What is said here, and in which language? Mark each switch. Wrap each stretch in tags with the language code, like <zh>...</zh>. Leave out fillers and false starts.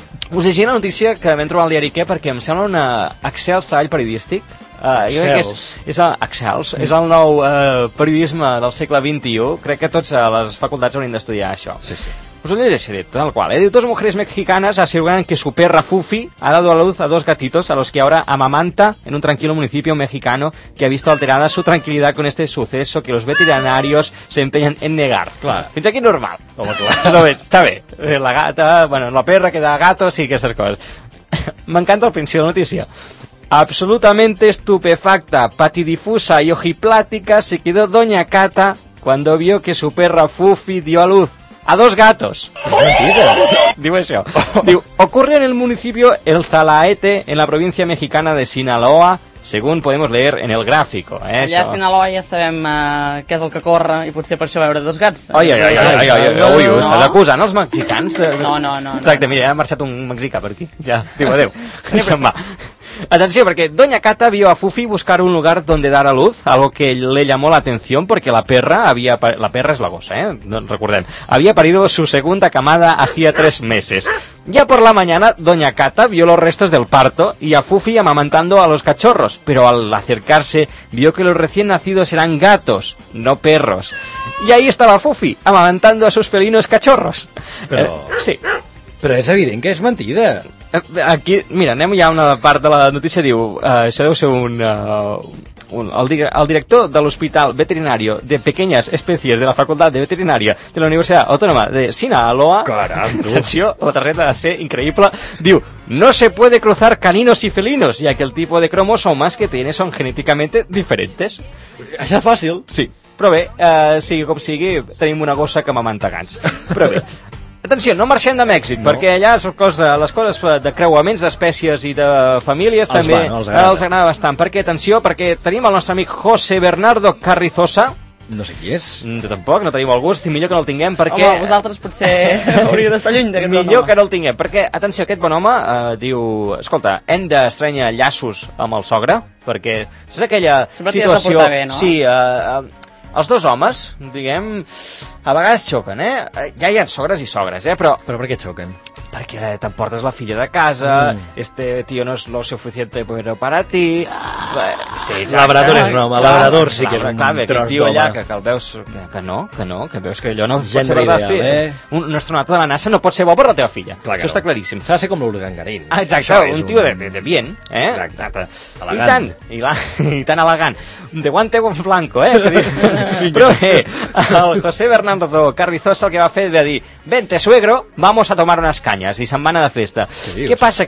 <ca>Us llegia la notícia que vam trobar al diari Què, perquè em sembla un excels treball periodístic. Jo crec que és el nou periodisme del segle XXI. Crec que tots a les facultats haurien d'estudiar això. Sí, sí. Us ho llegiré, tal qual.</ca> <es>Diu, dos mujeres mexicanas aseguran que su perra Fufi ha dado a luz a dos gatitos a los que ahora amamanta en un tranquilo municipio mexicano que ha visto alterada su tranquilidad con este suceso que los veterinarios se empeñan en negar.</es> <ca>Clar. Fins aquí normal. Home, tu. No veig, està bé. La gata, bueno, la perra queda gato, sí, aquestes coses. M'encanta el principi de la notícia.</ca> <es>Absolutamente estupefacta, patidifusa y ojiplática se quedó Doña Cata cuando vio que su perra Fufi dio a luz a dos gatos. Es mentira. Digo eso. Digo, ocurrió en el municipio El Zalaete, en la provincia mexicana de Sinaloa, según podemos leer en el gráfico.</es> <ca>Allà a Sinaloa ja sabem què és el que corre i potser per això veure dos gats. Ai, estàs acusant els mexicans? No. Exacte, mira, ha marxat un mexicà per aquí. Ja, diu adéu. Se'n va.</ca> <es>Atención, porque Doña Cata vio a Fufi buscar un lugar donde dar a luz, algo que le llamó la atención porque la perra había... La perra es la gosa, ¿eh? No, recuerden. Había parido su segunda camada hacía 3 meses. Ya por la mañana, Doña Cata vio los restos del parto y a Fufi amamantando a los cachorros, pero al acercarse vio que los recién nacidos eran gatos, no perros. Y ahí estaba Fufi, amamantando a sus felinos cachorros. Pero... Sí.</es> <ca>Però és evident que és mentida. Aquí, mira, anem ja a una part de la notícia, diu, això deu ser el director de l'Hospital Veterinario de Pequeñas Especies de la Facultat de Veterinària de la Universitat Autònoma de Sinaloa. Caram, tu. Atenció, la tarjeta ha de ser increïble.</ca> <es>Diu, no se puede cruzar caninos y felinos, ya que el tipo de cromosomas que tiene son genéticamente diferentes.</es> <ca>Això és fàcil. Sí, però bé, sigui com sigui, tenim una gossa que m'amanta gans. Però bé. Atenció, no marxem de Mèxic, perquè allà les coses de creuaments d'espècies i de famílies també els agrada bastant. Perquè, atenció, perquè tenim el nostre amic José Bernardo Carrizosa. No sé qui és. Jo tampoc, no tenim el gust i millor que no el tinguem perquè... Home, vosaltres potser hauríeu d'estar lluny d'aquest bon home. Millor que no el tinguem, perquè, atenció, aquest bon home diu... Escolta, hem d'estrenyar llaços amb el sogre, perquè és aquella situació... Sempre t'hi has de portar bé, no? Sí, els dos homes, diguem, a vegades xoquen, eh? Ja hi ha sogres i sogres, eh? Però per què xoquen? Perquè t'emportes la filla de casa,</ca> <es>este tío no es lo suficiente bueno para ti...</es> <ca>Labrador és un home, labrador sí que és un tros d'home. Aquest tio allà que el veus... Que no, que veus que allò no pot ser bo per la filla. Un astronauta de la NASA no pot ser bo per la teva filla. Això està claríssim. S'ha de ser com l'Urgangarín. Exacte, un tio de bien, eh? Exacte, elegant. I tan elegant.</ca> <es>De guante con blanco,</es> <ca>eh? Però bé, el José Bernardo Carrizosa el que va fer va dir,</ca> <es>vente suegro, vamos a tomar unas cañas.</es> <ca>I se'n va anar de festa. Què passa?</ca>